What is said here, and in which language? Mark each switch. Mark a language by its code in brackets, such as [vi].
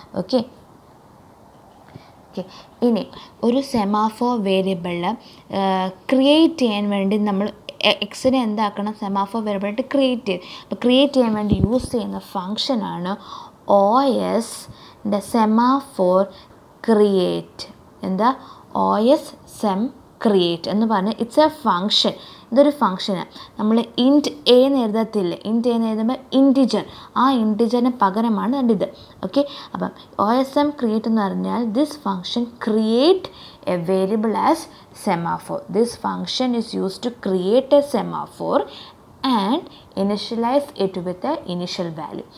[ml] Okay, okay, ഇനി ഒരു semaphore variable create ചെയ്യാൻ വേണ്ടി നമ്മൾ എക്സിനെ എന്താക്കണം, സെമാഫോർ വേരിയബിൾ ആയിട്ട് ക്രിയേറ്റ് ചെയ്യും. അപ്പോൾ ക്രിയേറ്റ് ചെയ്യാൻ വേണ്ടി യൂസ് ചെയ്യുന്ന ഫംഗ്ഷനാണ് O S the semaphore [en] create in the OS sem create [ml] എന്ന് പറഞ്ഞാൽ [en] It's a function. [ml] ഇതൊരു ഫംഗ്ഷനാണ്. നമ്മൾ ഇൻറ്റ് എ എന്ന് എഴുതത്തില്ല, ഇൻറ്റ് എ എന്ന് എഴുതുമ്പോൾ ഇൻറ്റിജർ, ആ ഇൻറ്റിജറിന് പകരമാണ് എൻ്റെ ഇത്. ഓക്കെ, അപ്പം ഓ എസ് എം ക്രിയേറ്റ് എന്ന് പറഞ്ഞാൽ [en] This function create a variable as semaphore. This function is use to create a semaphore and initialise it with a initial value.